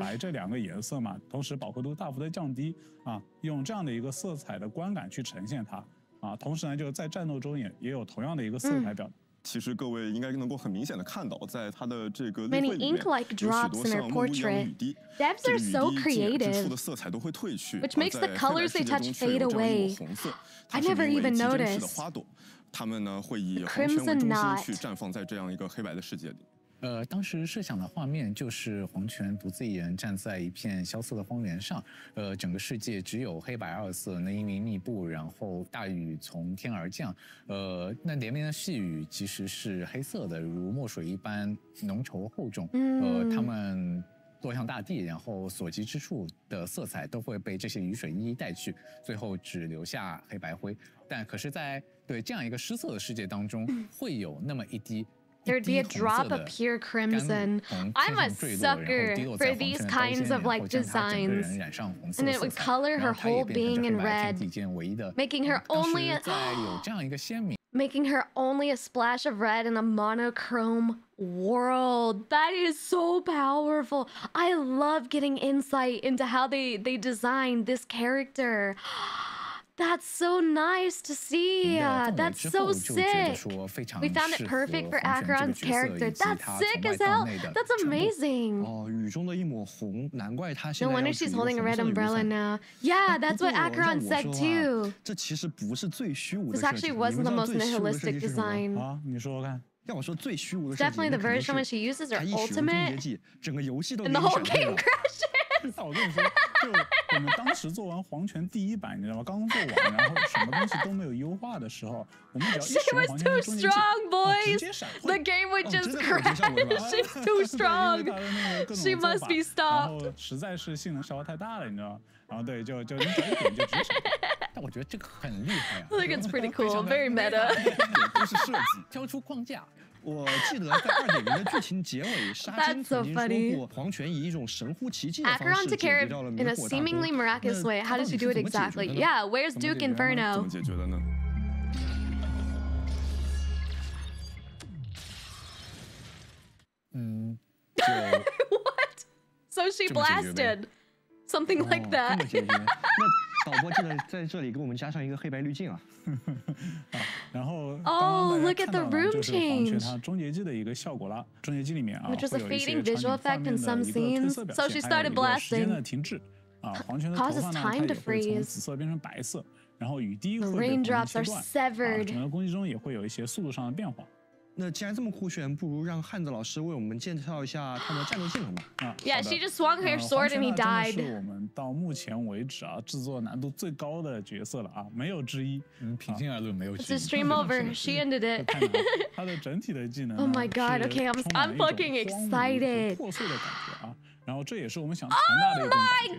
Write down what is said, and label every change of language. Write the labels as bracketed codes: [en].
[zh] 白这两个颜色嘛，同时饱和度大幅的降低。啊，用这样的一个色彩的观感去呈现它，啊，同时呢，就在战斗中也有同样的一个色彩表。其实各位应该能够很明显的看到，在它的这个例会里面，有许多像雾一样的雨滴。 [en] Many ink-like drops in her portrait. Devs are so creative. [zh] 这个雨滴接触的色彩都会褪去。 [en] Which makes the colors they touch fade away. I never even noticed. [zh] 它们呢会以黄圈为中心去绽放在这样一个黑白的世界里。当时设想的画面就是黄泉独自一人站在一片萧瑟的荒原上，整个世界只有黑白二色，那阴云密布，然后大雨从天而降，那连绵的细雨其实是黑色的，如墨水一般浓稠厚重，他们落向大地，然后所及之处的色彩都会被这些雨水一一带去，最后只留下黑白灰。但可是在对这样一个湿色的世界当中，会有那么一滴 [en] There'd be a drop of pure crimson. I'm a sucker for these kinds of like designs. And it would color her whole being in red, making her only a splash of red in a monochrome world. That is so powerful. I love getting insight into how they designed this character. That's so nice to see. That's so sick. We found it perfect for Acheron's character. That's sick as hell. That's amazing. No wonder she's holding a red umbrella now. Yeah, that's what Acheron said too. This actually wasn't the most nihilistic design. Definitely the version when she uses her ultimate and the whole game crashes. [zh] 我跟你说，就我们当时做完黄泉第一版，你知道吗？刚做完，然后什么东西都没有优化的时候，我们只要一使用黄泉的终结技，直接闪回。 [en] The game would just crash. She's too strong. She must be stopped. [zh] 然后实在是性能消耗太大了，你知道吗？然后对，就你转一点就直闪。但我觉得这个很厉害啊。 [en] I think it's pretty cool. Very meta. [zh] 都是设计，跳出框架。我记得在2.0的剧情结尾，沙金曾经说过，黄泉以一种神乎其技的方式解决掉了迷惑大宫。 [en] In a seemingly miraculous way, how did she do it exactly? Yeah, where's Duke Inferno? [zh] 怎么解决的呢？ [en] What? So she blasted something like that? [zh] 那导播记得在这里给我们加上一个黑白滤镜啊。然后 [en] ，Oh, look at the room change. [zh] 就是黄泉它终结技的一个效果了。终结技里面啊， [en] which was a fading visual effect in some scenes. So she started blasting. [zh] 时间的停滞啊，黄泉的头发呢，它也会从紫色变成白色。然后雨滴会被切断。整个攻击中也会有一些速度上的变化。那既然这么酷炫，不如让汉子老师为我们介绍一下他的战斗技能吧。 [en] Yeah, she just swung her sword and he died. [zh] 是我们到目前为止啊制作难度最高的角色了啊，没有之一。平心而论，没有之一。 [en] It's a stream over. She ended it. [zh] 他的整体的技能。 [en] Oh my god. Okay, I'm fucking excited. [zh] 破碎的感觉啊，然后这也是我们想传达的一种